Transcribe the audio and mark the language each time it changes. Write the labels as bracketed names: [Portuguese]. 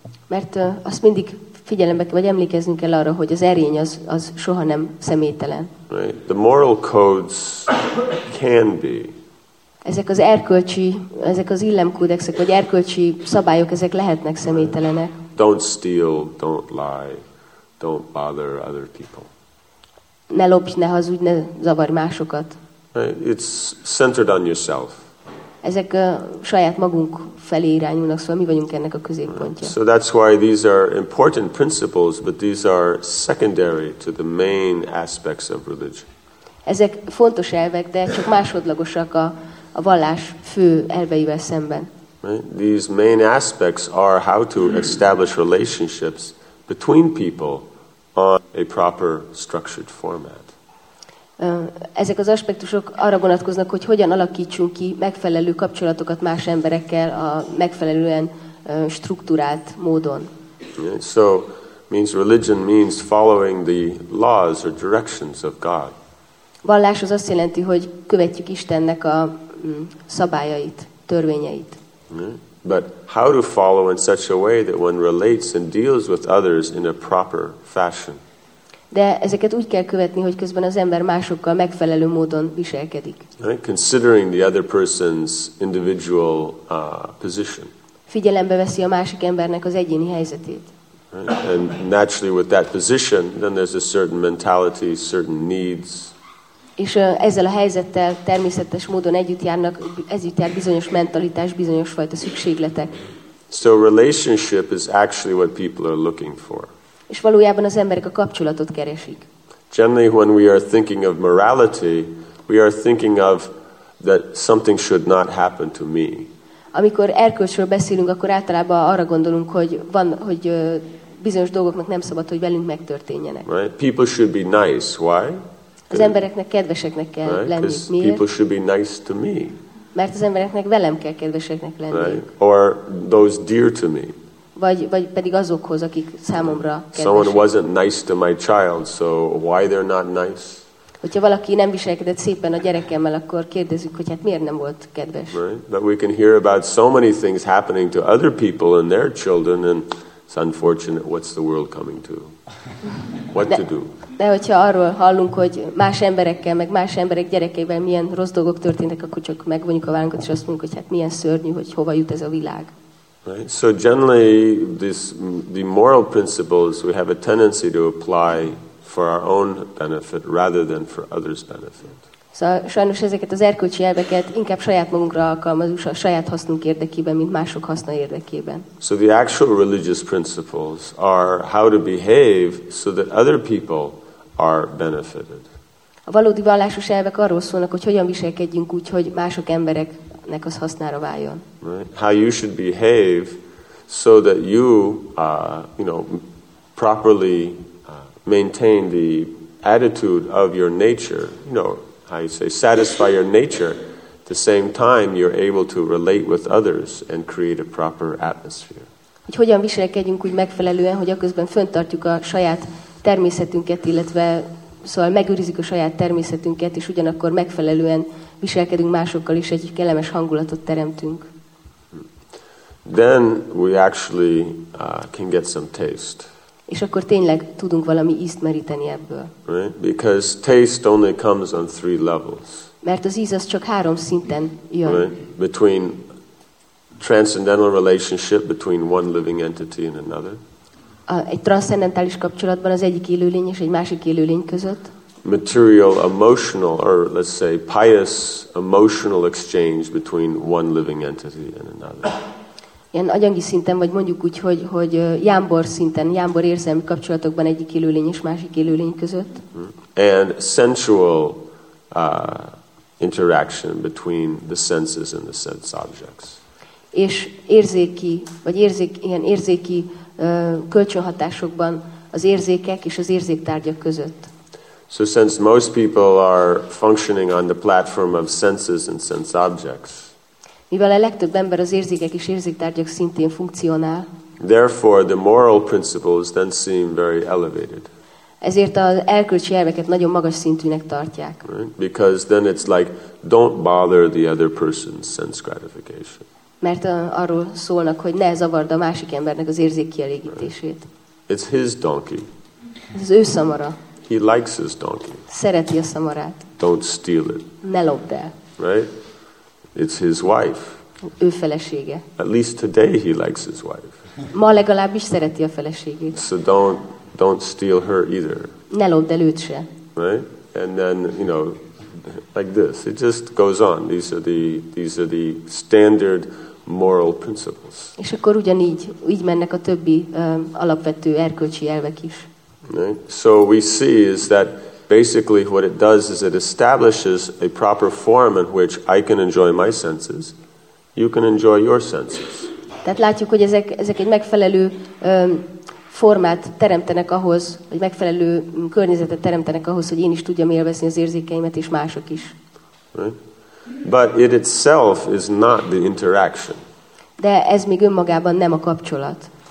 [Hungarian] Mert azt mindig figyelembe kell, vagy emlékeznünk kell arra, hogy az erény az soha nem személytelen. [English] Right. The moral codes can be. [Hungarian] Ezek az erkölcsi, ezek az illemkódexek, vagy erkölcsi szabályok, ezek lehetnek személytelenek. [English] Don't steal, don't lie, don't bother other people. [Hungarian] Ne lopj, ne hazudj, ne zavarj másokat. [English] It's centered on yourself. [Hungarian] ezek saját magunk felé irányulnak, szóval mi vagyunk ennek a középpontja. [English] So that's why these are important principles, but these are secondary to the main aspects of religion. [Hungarian] Ezek fontos elvek, de csak másodlagosak a vallás fő elveivel szemben. [English] Right? These main aspects are how to establish relationships between people on a proper structured format. [Hungarian] Ezek az aspektusok arra vonatkoznak, hogy hogyan alakítsunk ki megfelelő kapcsolatokat más emberekkel a megfelelően struktúrált módon. [English] Right? So means religion means following the laws or directions of God. [Hungarian] Vallás az azt jelenti, hogy követjük Istennek a szabályait, törvényeit. [English] But how to follow in such a way that one relates and deals with others in a proper fashion? [Hungarian] De ezeket úgy kell követni, hogy közben az ember másokkal megfelelő módon viselkedik. [English] Right? Considering the other person's individual position. [Hungarian] Figyelembe veszi a másik embernek az egyéni helyzetét. [English] Right? And naturally with that position, then there's a certain mentality, certain needs. [Hungarian] És ezzel a helyzettel természetes módon együtt járnak, együtt jár bizonyos mentalitás, bizonyos fajta szükségletek. [English] So relationship is actually what people are looking for. [Hungarian] És valójában az emberek a kapcsolatot keresik. [English] Generally when we are thinking of morality, we are thinking of that something should not happen to me. [Hungarian] Amikor erkölcsről beszélünk, akkor általában arra gondolunk, hogy van, hogy bizonyos dolgoknak nem szabad, hogy velünk megtörténjenek. [English] Right? People should be nice. Why? [Hungarian] Az embereknek kedveseknek kell lenni. Miért? [English] People should be nice to me. [Hungarian] Mert az embereknek velem kell kedveseknek lenni. [English] Right. Or those dear to me. [Hungarian] Vagy pedig azokhoz, akik számomra kedvesek. [English] Someone wasn't nice to my child, so why they're not nice? [Hungarian] Hogyha valaki nem viselkedett szépen a gyerekemmel, akkor kérdezzük, hogy hát miért nem volt kedves. [English] Right. But we can hear about so many things happening to other people and their children, and it's unfortunate. What's the world coming to? What to do? [Hungarian] De hogyha arról hallunk, hogy más emberekkel, meg más emberek gyerekeivel milyen rossz dolgok történnek, akkor csak megvonjuk a vállunkat, és azt mondjuk, hogy hát milyen szörnyű, hogy hova jut ez a világ. [English] Right. So generally, the moral principles we have a tendency to apply for our own benefit rather than for others' benefit. [Hungarian] Szóval sajnos ezeket az erkölcsi elveket inkább saját magunkra alkalmazunk, a saját hasznunk érdekében, mint mások haszna érdekében. [English] So the actual religious principles are how to behave so that other people are benefited. [Hungarian] A valódi vallásos elvek arról szólnak, hogy hogyan viselkedjünk úgy, hogy mások embereknek az hasznára váljon. [English] Right? How you should behave so that you, you know, properly maintain the attitude of your nature, you know, I say satisfy your nature, at the same time you're able to relate with others and create a proper atmosphere. [Hungarian] Hogy hogyan viselkedjünk úgy megfelelően, hogy aközben fönntartjuk a saját természetünket, illetve szóval megőrizzük a saját természetünket, és ugyanakkor megfelelően viselkedünk másokkal is, egy kellemes hangulatot teremtünk. [English] Then we actually can get some taste. [Hungarian] És akkor tényleg tudunk valami ízt meríteni ebből. [English] Right? Because taste only comes on three levels. [Hungarian] Mert az íz az csak három szinten jön. [English] Right? Between transcendental relationship between one living entity and another. [Hungarian] Egy transzcendentális kapcsolatban az egyik élőlény és egy másik élőlény között. [English] Material, emotional, or let's say pious emotional exchange between one living entity and another. [Hungarian] Ilyen anyagi szinten, vagy mondjuk úgy, hogy jámbor szinten, jámbor érzelmi kapcsolatokban egyik élőlény és másik élőlény között. [English] And sensual interaction between the senses and the sense objects. [Hungarian] És érzéki, vagy ilyen érzéki kölcsönhatásokban az érzékek és az érzéktárgyak között. [English] So since most people are functioning on the platform of senses and sense objects, [Hungarian] mivel a legtöbb ember az érzékek és érzéktárgyak szintén funkcionál. [English] Therefore, the moral principles then seem very elevated. [Hungarian] Ezért az erkölcsi elveket nagyon magas szintűnek tartják. [English] Right? Because then it's like, don't bother the other person's sense gratification. [Hungarian] Mert arról szólnak, hogy ne zavard a másik embernek az érzékkielégítését. [English] Right. It's his donkey. [Hungarian] Ez az ő szamara. [English] He likes his donkey. [Hungarian] Szereti a szamarát. [English] Don't steal it. [Hungarian] Ne lopd el. [English] Right? It's his wife. [Hungarian] Ő felesége. [English] At least today he likes his wife. [Hungarian] Ma legalábbis szereti a feleségét. [English] So don't steal her either. [Hungarian] Ne lopd el őt se. [English] Right? And then, you know, like this. It just goes on. These are the standard moral principles. [Hungarian] És akkor ugyanígy így mennek a többi alapvető erkölcsi elvek is. [English] Right? So we see is that basically what it does is it establishes a proper form in which I can enjoy my senses, you can enjoy your senses. [Hungarian] Tehát látjuk, hogy ezek egy megfelelő formát teremtenek ahhoz, hogy megfelelő környezetet teremtenek ahhoz, hogy én is tudjam élvezni az érzékeimet és mások is. [English] Right? But it itself is not the interaction. [Hungarian] De ez még önmagában nem a kapcsolat.